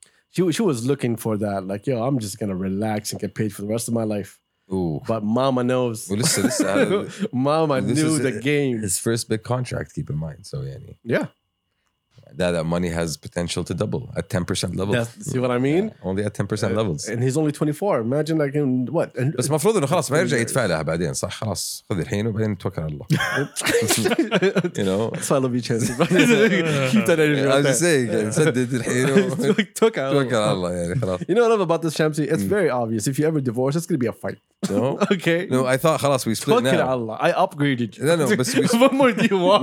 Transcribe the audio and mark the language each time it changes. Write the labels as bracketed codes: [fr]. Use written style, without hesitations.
[en] She was looking for that. Like, yo, I'm just going to relax and get paid for the rest of my life. Ooh. But mama knows. Well, listen, mama knew the game. His first big contract, keep in mind. So, Yanni. Yeah. That money has potential to double at 10% levels. Yeah, see what I mean? Yeah, only at 10% levels. And he's only 24. Imagine like in what? [ar] بس مفروض انه خلاص ما يرجع يدفع لها بعدين صح خلاص خذ الحين وبعدين توكل على الله. [en] You know. That's why I love you, Chelsea. Keep that energy. I was just saying, [ar] سدد الحين توكل على الله يعني خلاص. [en] You know what I love about this, Chelsea? It's very obvious. If you ever divorce, it's going to be a fight. No. Okay. No, I thought خلاص we split now. [ar] توكل على الله. [en] I upgraded you. No, بس we split. What more do you want?